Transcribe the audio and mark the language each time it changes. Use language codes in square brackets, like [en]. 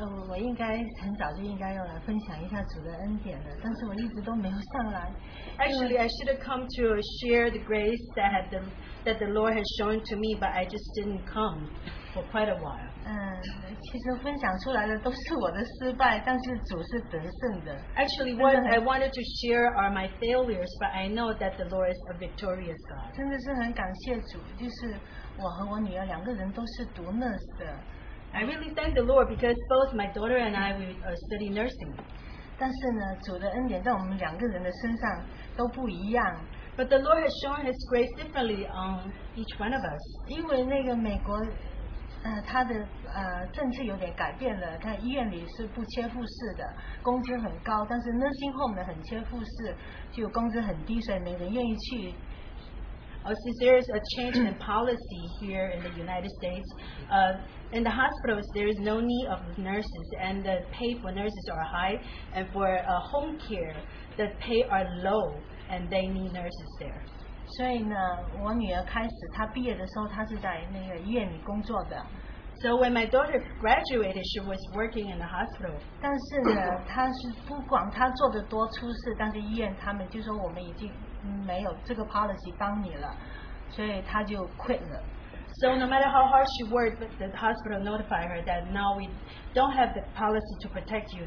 [zh] 我应该很早就应该要来分享一下主的恩典的，但是我一直都没有上来。 [en] Actually, I should have come to share the grace that the Lord has shown to me, but I just didn't come for quite a while. [zh] 其实分享出来的都是我的失败，但是主是得胜的。 [en] Actually, what I wanted to share are my failures, but I know that the Lord is a victorious God. [zh] 真的是很感谢主，就是我和我女儿两个人都是读 nurse 的。 [en] I really thank the Lord because both my daughter and I we study nursing. [zh] 但是呢，主的恩典在我们两个人的身上都不一样。 [en] But the Lord has shown His grace differently on each one of us. [zh] 因为那个美国，他的政策有点改变了。他医院里是不缺护士的，工资很高，但是 nursing home 呢很缺护士，就工资很低，所以没人愿意去。 [en] Since there is a change in policy here in the United States, in the hospitals, there is no need of nurses, and the pay for nurses are high, and for home care, the pay are low, and they need nurses there. [zh] 所以呢，我女儿开始，她毕业的时候，她是在那个医院里工作的。 [en] So when my daughter graduated, she was working in the hospital. [zh] 但是呢，她是不管她做的多出色，但是医院他们就说我们已经没有这个 policy 帮你了，所以她就 quit 了。 [en] So no matter how hard she worked, the hospital notified her that now we don't have the policy to protect you.